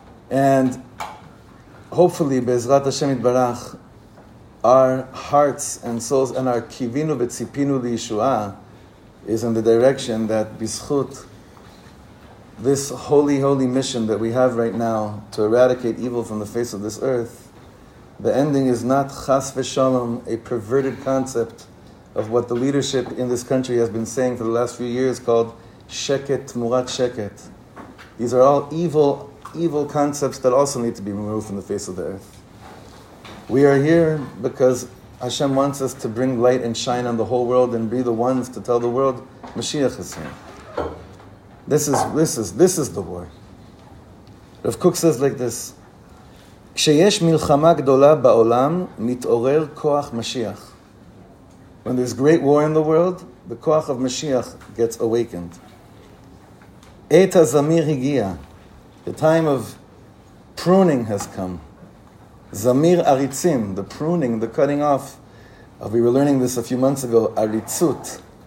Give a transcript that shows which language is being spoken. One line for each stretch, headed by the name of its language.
English: And hopefully, Bezrat Hashem Yitbarach, our hearts and souls and our kivinu v'tzipinu liyeshua is in the direction that bizchut, this holy, holy mission that we have right now to eradicate evil from the face of this earth, the ending is not chas v'shalom, a perverted concept of what the leadership in this country has been saying for the last few years called sheket murat sheket. These are all evil, evil concepts that also need to be removed from the face of the earth. We are here because Hashem wants us to bring light and shine on the whole world and be the ones to tell the world Mashiach is here. This is the war.
Hebrew: Rav Kook says like this, כשיש מלחמה גדולה בעולם מתעורר כוח משיח.
English: When there's great war in the world, the koach of Mashiach gets awakened.
Hebrew: Et hazamir higia.
English: The time of pruning has come. Zamir aritzim, the pruning, the cutting off. We were learning this a few months ago, aritzut.